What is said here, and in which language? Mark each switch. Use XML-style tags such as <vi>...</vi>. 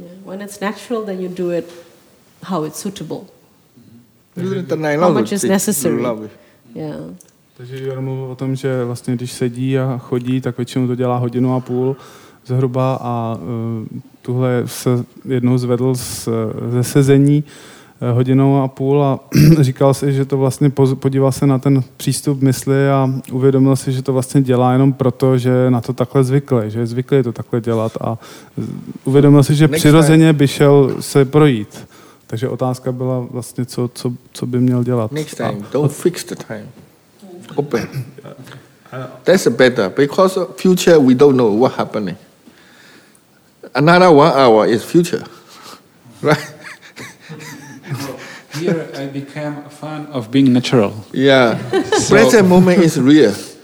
<en>When it's natural, then you do it how it's suitable. How much is necessary.</en> <cs>Takže Jura mluvil o tom, že vlastne, když sedí a chodí, tak väčšinou to dělá hodinu a půl zhruba a tuhle se jednou zvedl ze sezení hodinou a půl a říkal si, že to vlastně podíval se na ten přístup mysli a uvědomil si, že to vlastně dělá jenom proto, že na to takhle zvykli, že je zvyklý to takhle dělat a uvědomil si, že přirozeně by šel se projít. Takže otázka byla vlastně, co by měl dělat.</cs> <en>Next time, don't fix the time. Open. That's better, because future we don't know what happening. Another 1 hour is future, right? Well, here I became a fan of being natural. Yeah, so present moment is real.</en>